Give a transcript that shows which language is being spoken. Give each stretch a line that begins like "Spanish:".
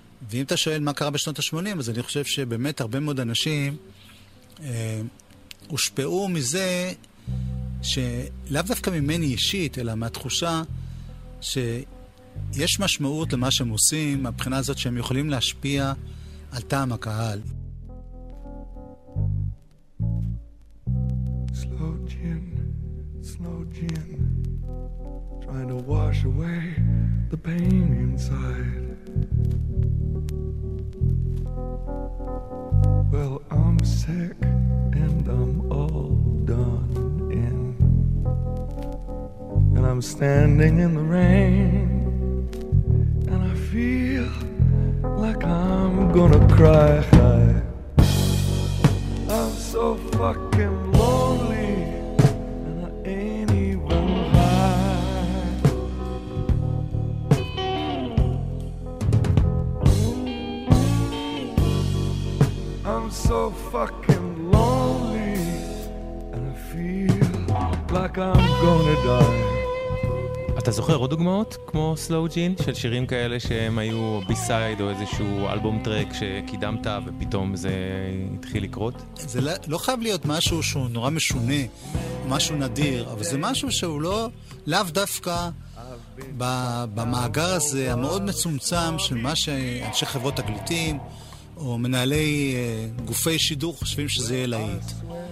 Hebrew: ואם אתה שואל מה קרה בשנות ה-80, אז אני חושב שבאמת הרבה מאוד אנשים הושפעו מזה שלאו דווקא ממני אישית, אלא מהתחושה שיש משמעות למה שהם עושים, מבחינה הזאת שהם יכולים להשפיע על טעם הקהל.
English: Slow gin, slow gin, trying to wash away the pain inside. Well, I'm sick and I'm all done in, and I'm standing in the rain, and I feel like I'm gonna cry high. I'm so fucking lonely, and I ain't even high. I'm so fucking lonely, and I feel like I'm gonna die.
Hebrew: אתה זוכר עוד דוגמאות כמו סלו ג'ין של שירים כאלה שהם היו בי-סייד או איזשהו אלבום טרק שקידמת ופתאום זה התחיל לקרות? זה לא חייב להיות משהו שהוא נורא משונה, משהו נדיר, אבל זה משהו שהוא לאו דווקא במאגר הזה המאוד מצומצם של מה שאנשי חברות תקליטים או מנהלי גופי שידור חושבים שזה יהיה להיט.